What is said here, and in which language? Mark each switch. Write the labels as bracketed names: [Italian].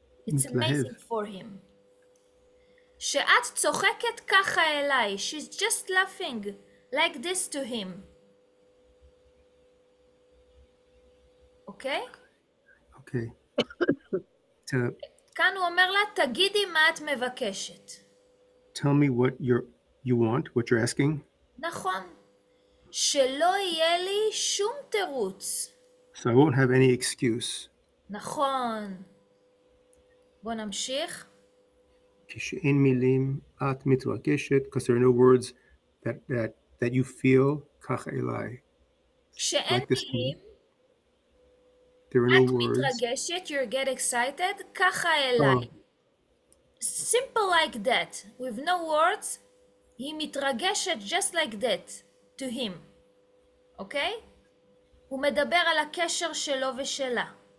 [English] It's amazing for him. [Hebrew] שאת צוחקת ככה אליי. [English] She's just laughing like this to him. Okay? Okay. [Hebrew] כאן הוא אומר לה, תגידי מה את מבקשת. [English] Tell me what you want, what you're asking. [Hebrew] נכון. שלא יהיה לי שום תירוץ. [English] So I won't have any excuse. [Hebrew] נכון. בוא נמשיך. כשאין מילים, את מתרגשת, [English] because there are no words that you feel, [Hebrew] כך אליי. כשאין מילים, [English] there are no words. [Hebrew] את מתרגשת, [English] you get excited, [Hebrew] ככה אליי. [English] Simple like that. With no words, [Hebrew] היא מתרגשת [English] just like that. to him. אוקיי? [Hebrew] הוא מדבר על הקשר שלו ושלה.